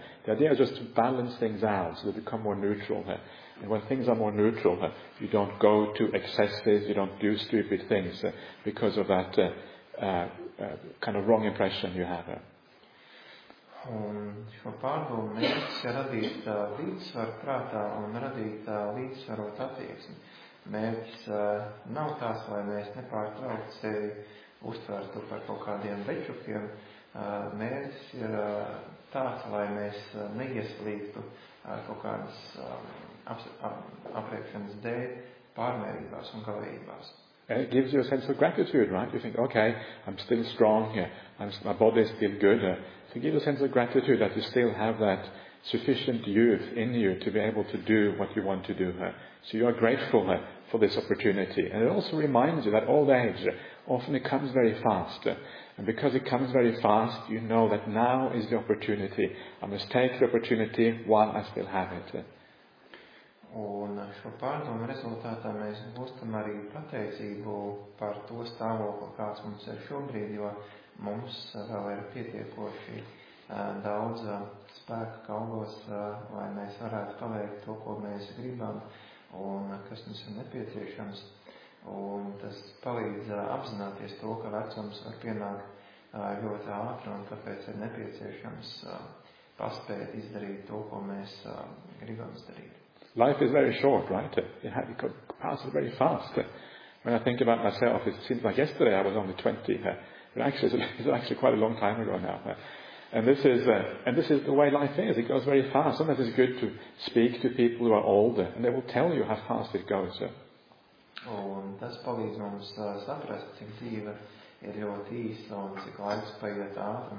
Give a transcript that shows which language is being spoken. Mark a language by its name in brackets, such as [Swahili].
[English] The idea is just to balance things out so they become more neutral. And when things are more neutral, you don't go to excesses, you don't do stupid things because of that kind of wrong impression you have. [Latvian] Un šo pārdomu mērķis ir radīt līdzsvaru prātā un radīt līdzsvarot attieksmi. Mērķis nav tās, lai mēs nepārtraukt sevi uztvērtu par kaut kādiem bečukiem. Mērķis ir tās, lai mēs neieslīgtu kaut kādas apriekšanas dēļ pārmērībās un galvībās. [English] And it gives you a sense of gratitude, right? You think, okay, I'm still strong here. My body is still good. So it gives you a sense of gratitude that you still have that sufficient youth in you to be able to do what you want to do. So you are grateful for this opportunity. And it also reminds you that old age, often it comes very fast. And because it comes very fast, you know that now is the opportunity. I must take the opportunity while I still have it. [Latvian] Un šo pārdomu rezultātā mēs gūstam arī pateicību par to stāvokli, kāds mums ir šobrīd, jo mums vēl ir pietiekoši daudz spēka kaugos, lai mēs varētu paveikt to, ko mēs gribam un kas mums ir nepieciešams. Un tas palīdz apzināties to, ka vecums var pienākt ļoti ātri un tāpēc ir nepieciešams paspēt izdarīt to, ko mēs gribam izdarīt. [English] Life is very short, right? It passes very fast. When I think about myself, it seems like yesterday I was only 20. But actually, it's actually quite a long time ago now. And this is the way life is. It goes very fast. Sometimes it's good to speak to people who are older, and they will tell you how fast it goes. [Latvian] Un tas palīdz mums saprast, cik dzīve ir ļoti īsa un cik laiks paiet ātri.